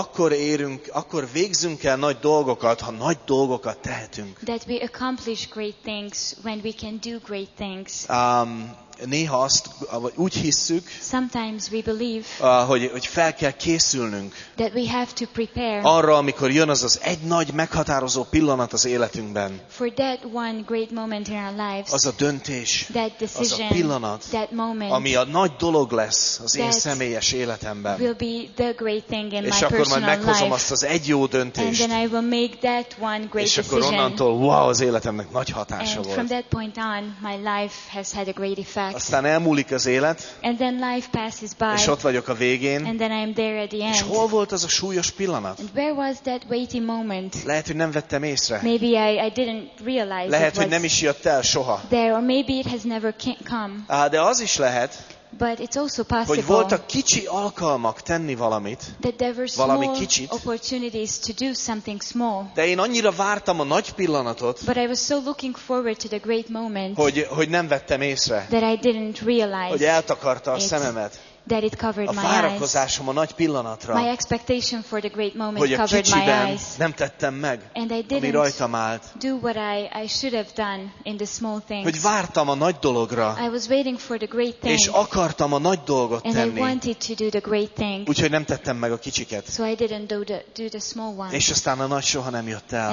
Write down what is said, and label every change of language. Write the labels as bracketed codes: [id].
[hu] hogy akkor végzünk el nagy dolgokat, ha nagy dolgokat tehetünk. [en] That we accomplish great things when we can do great things. [hu] Néha azt úgy hisszük, [en] sometimes we believe, [hu] hogy fel kell készülnünk arra, amikor jön az az egy nagy meghatározó pillanat az életünkben. [en] For that one great moment in our lives, [hu] az a döntés, [en] that decision, [hu] az a pillanat, [en] that moment, [hu] ami a nagy dolog lesz az én személyes életemben. [en] Will be the great thing in [hu] és [en] my [hu] akkor majd meghozom [en] life, [hu] azt az egy jó döntést. [en] And then I will make that one great [hu] és akkor [en] decision. [hu] Onnantól, wow, az életemnek nagy hatása [en] and From that point on, my life has had a great effect. [hu] Aztán elmúlik az élet, [en] and then life passes by, [hu] és ott vagyok a végén, [en] and then I am there at the end. [hu] És hol volt az a súlyos pillanat? [en] And where was that weighty moment? [hu] Lehet, hogy nem vettem észre. [en] Maybe I didn't realize it was [hu] hogy nem is jött el soha. [en] There, or maybe it has never come. [hu] De az is lehet, [en] but it's also possible, [hu] hogy voltak kicsi alkalmak tenni valamit, [en] that there were [hu] valami [en] small [hu] kicsit, [en] opportunities to do something small. [hu] De én annyira vártam a nagy pillanatot, [en] but I was so looking forward to the great moment, [hu] hogy nem vettem észre, [en] that I didn't realize [hu] hogy eltakarta a szememet. [en] that it covered my eyes. [hu] A várakozásom a nagy pillanatra. [en] My expectation for the great moment covered my eyes. [hu] Nem tettem meg, [en] and I didn't [hu] ami rajtam állt. [en] Do what I should have done in the small things. [hu] Hogy vártam a nagy dologra. [en] I was waiting for the great thing. [hu] És akartam a nagy dolgot [en] and [hu] tenni. [en] I wanted to do the great thing. [hu] Úgyhogy nem tettem meg a kicsiket. [en] So I didn't do the small ones. [hu] És aztán a nagy soha nem jött el.